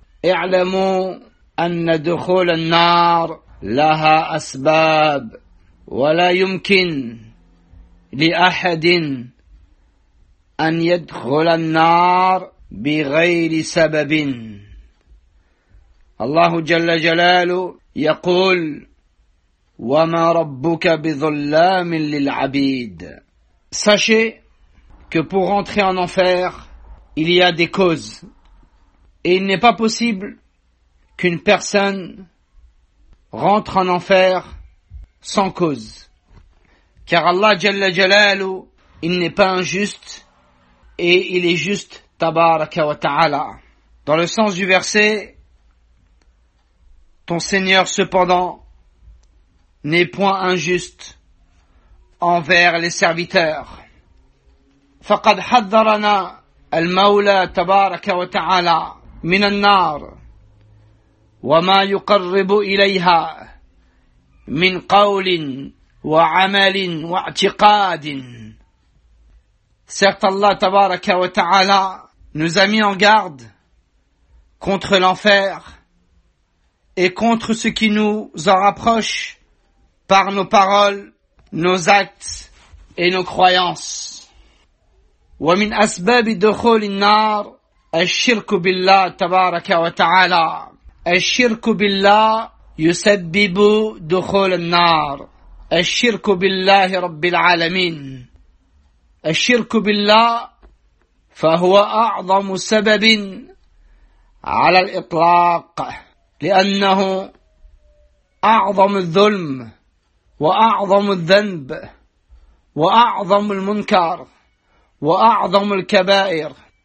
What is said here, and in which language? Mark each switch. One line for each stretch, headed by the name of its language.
Arabic: اعلموا أن دخول النار لها أسباب، ولا يمكن لأحد أن يدخل النار بغير سبب. الله جل جلاله يقول: وما ربك بظلام للعبيد.
French: Sachez que pour entrer en enfer, il y a des causes. Et il n'est pas possible qu'une personne rentre en enfer sans cause. Car Allah Jalla Jalalu, il n'est pas injuste et il est juste Tabaraka wa Ta'ala. Dans le sens du verset, ton Seigneur cependant n'est point injuste envers les serviteurs.
Arabic: فقد حذرنا المولى تبارك وتعالى من النار وما يقرب إليها من قول وعمل واعتقاد.
French: Certes, Allah تبارك وتعالى nous a mis en garde contre l'enfer et contre ce qui nous en rapproche par nos paroles, nos actes et nos croyances.
Arabic: ومن أسباب دخول النار الشرك بالله تبارك وتعالى. الشرك بالله يسبب دخول النار. الشرك بالله رب العالمين. الشرك بالله فهو أعظم سبب على الإطلاق، لأنه أعظم الظلم وأعظم الذنب وأعظم المنكر وأعظم الكبائر.